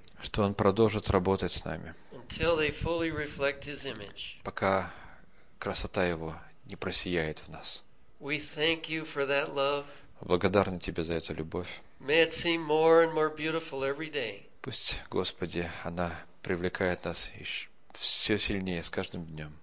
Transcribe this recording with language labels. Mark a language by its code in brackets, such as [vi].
[ru] Что Он продолжит работать с нами, [en] until they fully reflect his image. [ru] Пока красота Его не просияет в нас. [en] We thank you for that love. [ru] Благодарны Тебе за эту любовь. [en] May it seem more and more beautiful every day. [ru] Пусть, Господи, она привлекает нас еще все сильнее с каждым днем.